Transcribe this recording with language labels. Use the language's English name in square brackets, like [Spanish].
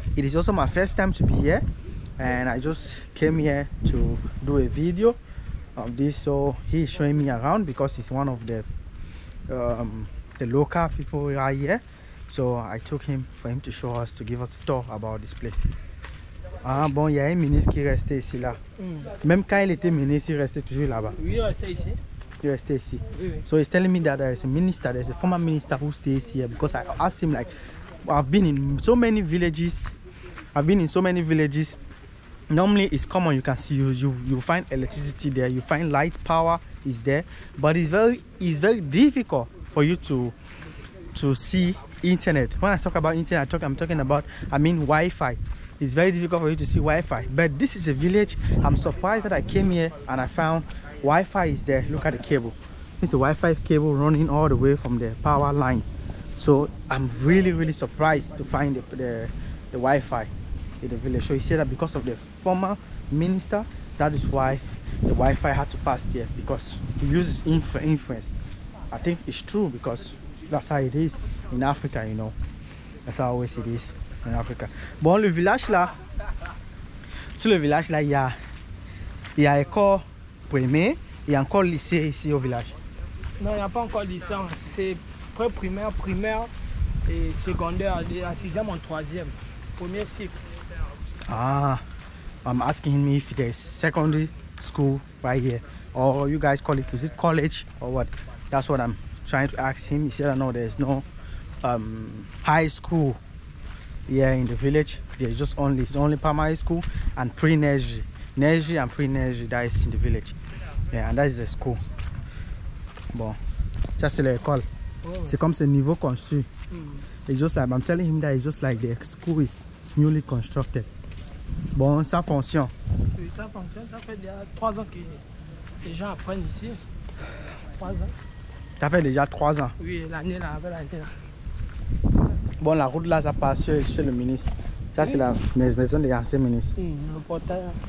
[English] It is also my first time to be here. And I just came here to do a video. This, so he's showing me around because he's one of the local people who are here. So I took him for him to show us, to give us a tour about this place. [French] Ah bon, il y a un ministre qui restait ici là. Même quand il était ministre, il restait toujours là-bas. Oui, il restait ici. Il restait ici. Oui, oui. [English] So he's telling me that there is a minister, there's a former minister who stays here, because I asked him, like, I've been in so many villages. Normally it's common, you can see you find electricity there, you find light power is there, but it's very difficult for you to see internet. When I talk about internet, I mean Wi-Fi. It's very difficult for you to see Wi-Fi. But this is a village. I'm surprised that I came here and I found Wi-Fi is there. Look at the cable. It's a Wi-Fi cable running all the way from the power line. So I'm really, really surprised to find the Wi-Fi in the village. So he said that because of the former minister, that is why the Wi-Fi had to pass here, because he uses influence. I think it's true, because that's how it is in Africa, you know. That's how always it is in Africa. [French] Bon, le village là, sur le village là, il y a école primaire, il y a encore lycée ici au village. Non, il n'y a pas encore lycée. C'est pré-primaire, primaire et secondaire, la sixième en troisième, premier cycle. [English] Ah, I'm asking me if there's secondary school right here. Or you guys call it, is it college or what? That's what I'm trying to ask him. He said, no, there's no high school here in the village. There's just only, it's only primary school and pre-nursery. Nursery and pre-nursery, that is in the village. Yeah, and that is the school. [French] Bon, ça c'est l'école. C'est comme ce niveau construit. [English] It's just like, I'm telling him that it's just like the school is newly constructed. [French] Bon, ça fonctionne. Oui, ça fonctionne. Ça fait déjà 3 ans que les gens apprennent ici. 3 ans. Ça fait déjà 3 ans. Oui, l'année là, avec l'année là. Bon, la route là, ça passe chez le ministre. Ça, oui. C'est la maison des anciens ministres. Oui, le portail.